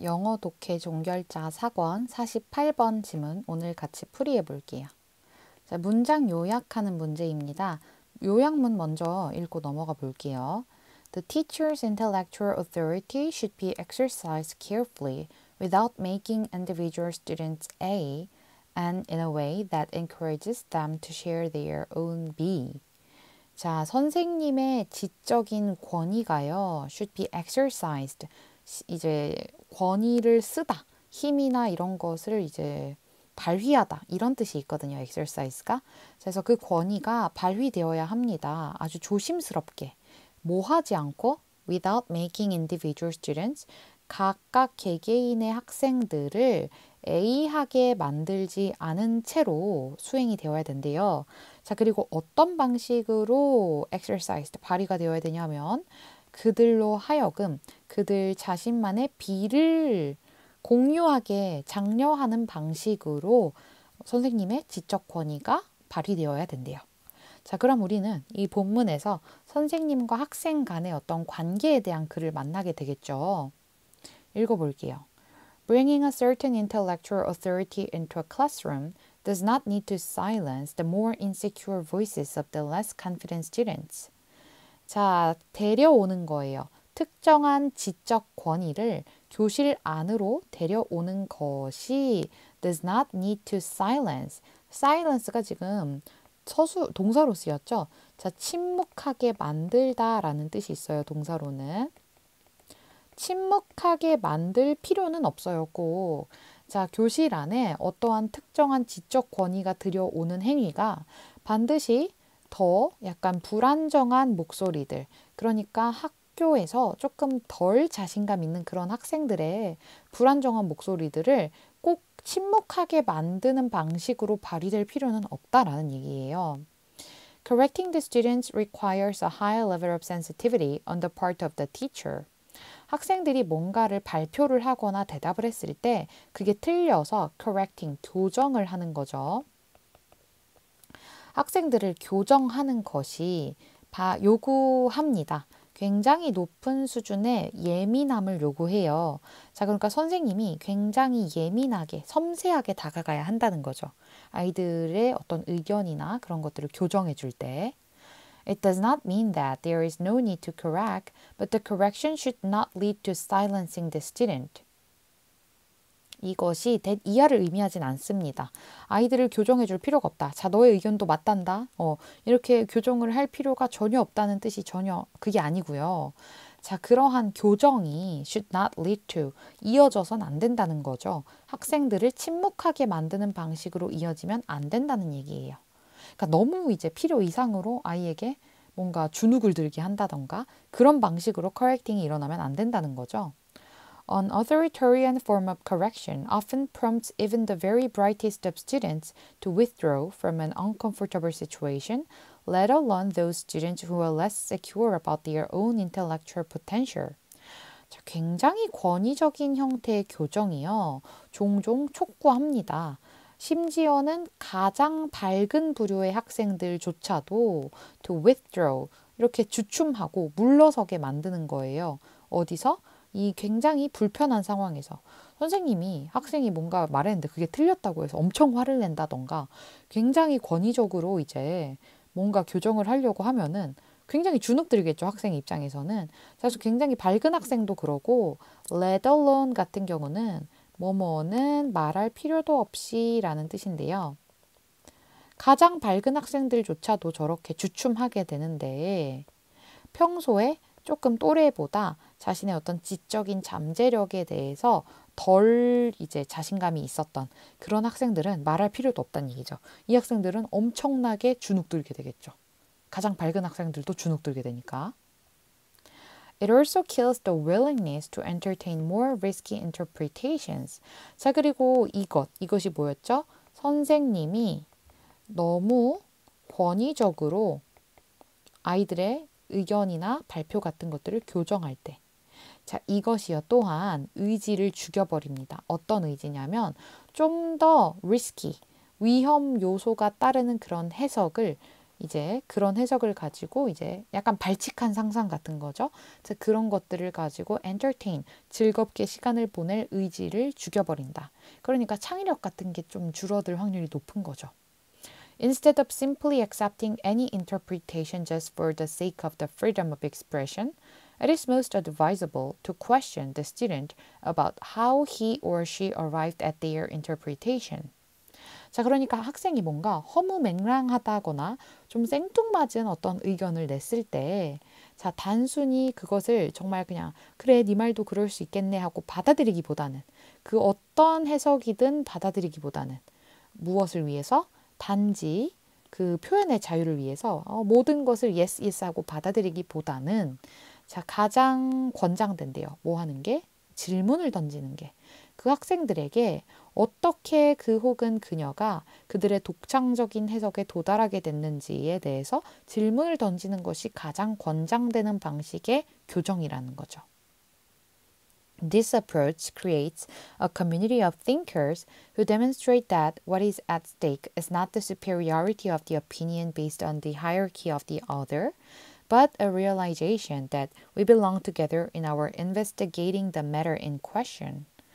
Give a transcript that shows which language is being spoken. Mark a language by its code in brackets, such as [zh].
[ko] 영어 독해 종결자 사권 48번 지문 오늘 같이 풀이해 볼게요. 자, 문장 요약하는 문제입니다. 요약문 먼저 읽고 넘어가 볼게요. [en] The teacher's intellectual authority should be exercised carefully without making individual students A and in a way that encourages them to share their own B. [ko] 자, 선생님의 지적인 권위가요. [en] should be exercised. [ko] 이제 권위를 쓰다, 힘이나 이런 것을 이제 발휘하다 이런 뜻이 있거든요. exercise가. 그래서 그 권위가 발휘되어야 합니다. 아주 조심스럽게 뭐 하지 않고 [en] without making individual students [ko] 각각 개개인의 학생들을 A하게 만들지 않은 채로 수행이 되어야 된대요. 자, 그리고 어떤 방식으로 exercise 발휘가 되어야 되냐면 그들로 하여금 그들 자신만의 비를 공유하게 장려하는 방식으로 선생님의 지적 권위가 발휘되어야 된대요. 자, 그럼 우리는 이 본문에서 선생님과 학생 간의 어떤 관계에 대한 글을 만나게 되겠죠. 읽어볼게요. [en] Bringing a certain intellectual authority into a classroom does not need to silence the more insecure voices of the less confident students. [ko] 자, 데려오는 거예요. 특정한 지적 권위를 교실 안으로 데려오는 것이 [en] does not need to silence. [ko] Silence가 지금 처수 동사로 쓰였죠? 자, 침묵하게 만들다라는 뜻이 있어요, 동사로는. 침묵하게 만들 필요는 없어요, 꼭. 자, 교실 안에 어떠한 특정한 지적 권위가 들여오는 행위가 반드시 더 약간 불안정한 목소리들, 그러니까 학교에서 조금 덜 자신감 있는 그런 학생들의 불안정한 목소리들을 꼭 침묵하게 만드는 방식으로 발휘될 필요는 없다라는 얘기예요. [en] Correcting the students requires a higher level of sensitivity on the part of the teacher. [ko] 학생들이 뭔가를 발표를 하거나 대답을 했을 때 그게 틀려서 correcting, 교정을 하는 거죠. 학생들을 교정하는 것이 요구합니다. 굉장히 높은 수준의 예민함을 요구해요. 자, 그러니까 선생님이 굉장히 예민하게, 섬세하게 다가가야 한다는 거죠. 아이들의 어떤 의견이나 그런 것들을 교정해 줄 때. [en] It does not mean that there is no need to correct, but the correction should not lead to silencing the student. [ko] 이것이 된 이하를 의미하진 않습니다. 아이들을 교정해 줄 필요가 없다. 자, 너의 의견도 맞단다. 이렇게 교정을 할 필요가 전혀 없다는 뜻이 전혀 그게 아니고요. 자, 그러한 교정이 [en] should not lead to [ko] 이어져선 안 된다는 거죠. 학생들을 침묵하게 만드는 방식으로 이어지면 안 된다는 얘기예요. 그러니까 너무 이제 필요 이상으로 아이에게 뭔가 주눅을 들게 한다던가 그런 방식으로 correcting이 일어나면 안 된다는 거죠. [en] An authoritarian form of correction often prompts even the very brightest of students to withdraw from an uncomfortable situation, let alone those students who are less secure about their own intellectual potential. [ko] 자, 굉장히 권위적인 형태의 교정이요. 종종 촉구합니다. 심지어는 가장 밝은 부류의 학생들조차도 [en] to withdraw, [ko] 이렇게 주춤하고 물러서게 만드는 거예요. 어디서? 이 굉장히 불편한 상황에서 선생님이 학생이 뭔가 말했는데 그게 틀렸다고 해서 엄청 화를 낸다던가 굉장히 권위적으로 이제 뭔가 교정을 하려고 하면은 굉장히 주눅들겠죠, 학생 입장에서는. 사실 굉장히 밝은 학생도 그러고 [en] let alone [ko] 같은 경우는 뭐뭐는 말할 필요도 없이라는 뜻인데요. 가장 밝은 학생들조차도 저렇게 주춤하게 되는데 평소에 조금 또래보다 자신의 어떤 지적인 잠재력에 대해서 덜 이제 자신감이 있었던 그런 학생들은 말할 필요도 없다는 얘기죠. 이 학생들은 엄청나게 주눅들게 되겠죠. 가장 밝은 학생들도 주눅들게 되니까. [en] It also kills the willingness to entertain more risky interpretations. [ko] 자, 그리고 이것이 뭐였죠? 선생님이 너무 권위적으로 아이들의 의견이나 발표 같은 것들을 교정할 때. 자, 이것이요 또한 의지를 죽여버립니다. 어떤 의지냐면 좀더 risky, 위험 요소가 따르는 그런 해석을 이제 그런 해석을 가지고 이제 약간 발칙한 상상 같은 거죠. 즉 그런 것들을 가지고 엔터테인, 즐겁게 시간을 보낼 의지를 죽여버린다. 그러니까 창의력 같은 게좀 줄어들 확률이 높은 거죠. [en] Instead of simply accepting any interpretation just for the sake of the freedom of expression, it is most advisable to question the student about how he or she arrived at their interpretation. [ko] 자, 그러니까 학생이 뭔가 허무맹랑하다거나 좀 생뚱맞은 어떤 의견을 냈을 때, 자, 단순히 그것을 정말 그냥, 그래, 네 말도 그럴 수 있겠네 하고 받아들이기보다는, 그 어떤 해석이든 받아들이기보다는, 무엇을 위해서? 단지 그 표현의 자유를 위해서 모든 것을 yes, yes 하고 받아들이기보다는, 자, 가장 권장된대요. 뭐 하는 게? 질문을 던지는 게. 그 학생들에게 어떻게 그 혹은 그녀가 그들의 독창적인 해석에 도달하게 됐는지에 대해서 질문을 던지는 것이 가장 권장되는 방식의 교정이라는 거죠. [en] This approach creates a community of thinkers who demonstrate that what is at stake is not the superiority of the opinion based on the hierarchy of the other, but a realization that we belong together in our investigating the matter in question.